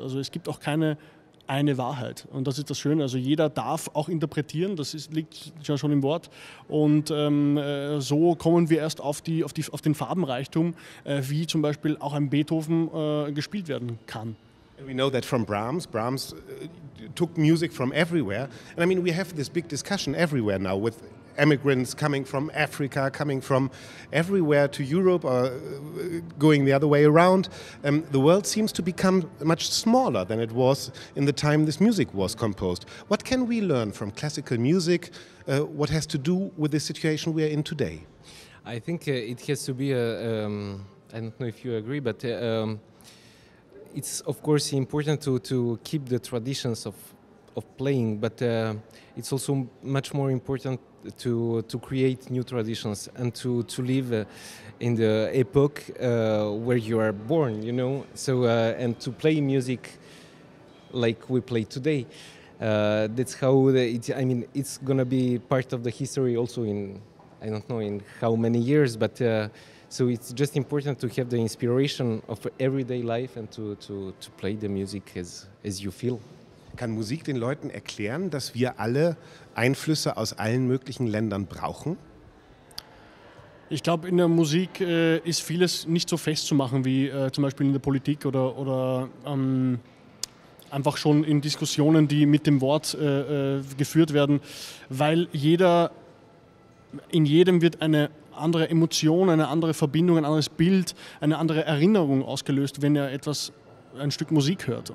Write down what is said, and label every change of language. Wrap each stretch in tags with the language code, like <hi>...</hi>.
<de>Also es gibt auch keine eine Wahrheit. Und das ist das Schöne. Also jeder darf auch interpretieren, das liegt ja schon im Wort. Und so kommen wir erst auf den Farbenreichtum, wie zum Beispiel auch ein Beethoven gespielt werden kann.</de> <en>We know that from Brahms. Brahms took music from everywhere. And I mean, we have this big discussion everywhere now with emigrants coming from Africa, coming from everywhere to Europe, or going the other way around. The world seems to become much smaller than it was in the time this music was composed. What can we learn from classical music? What has to do with the situation we are in today? I think it has to be, I don't know if you agree, but it's of course important to keep the traditions of playing, but it's also much more important to create new traditions and to live in the epoch where you are born, you know. So and to play music like we play today. That's how it's gonna be part of the history also in, I don't know, in how many years, but. So it's just important to have the inspiration of everyday life and to play the music as you feel.</en> <de>Kann Musik den Leuten erklären, dass wir alle Einflüsse aus allen möglichen Ländern brauchen? Ich glaube, in der Musik ist vieles nicht so festzumachen wie zum Beispiel in der Politik oder einfach schon in Diskussionen, die mit dem Wort geführt werden, weil in jedem wird eine andere Emotion, eine andere Verbindung, ein anderes Bild, eine andere Erinnerung ausgelöst, wenn er etwas, ein Stück Musik hört.</de>